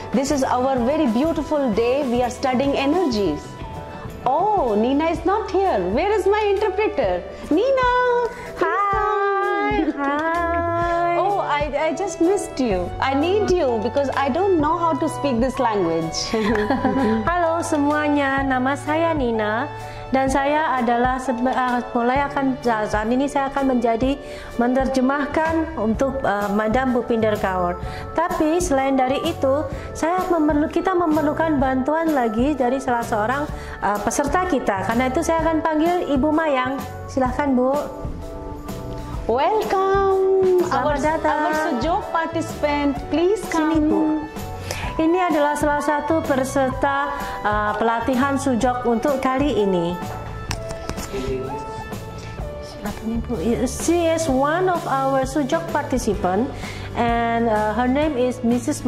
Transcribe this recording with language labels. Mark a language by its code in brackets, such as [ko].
[en] This is our very beautiful day. We are studying energies. Oh, Nina is not here. Where is my interpreter? Nina! Hi! Hi! Oh, I just missed you. I need you because I don't know how to speak this language. [id] Halo semuanya, nama saya Nina. Dan saya adalah saat ini saya akan menjadi menerjemahkan untuk Madam Bhupinder Kaur. Tapi selain dari itu, kita memerlukan bantuan lagi dari salah seorang peserta kita. Karena itu saya akan panggil Ibu Mayang. Silahkan Bu. [en] Welcome. [id] Selamat datang. [en] Our sujuk participant, please come. [id] Sini, Bu. Ini adalah salah satu peserta pelatihan sujuk untuk kali ini. [en] She is one of our sujuk participant, and her name is Mrs.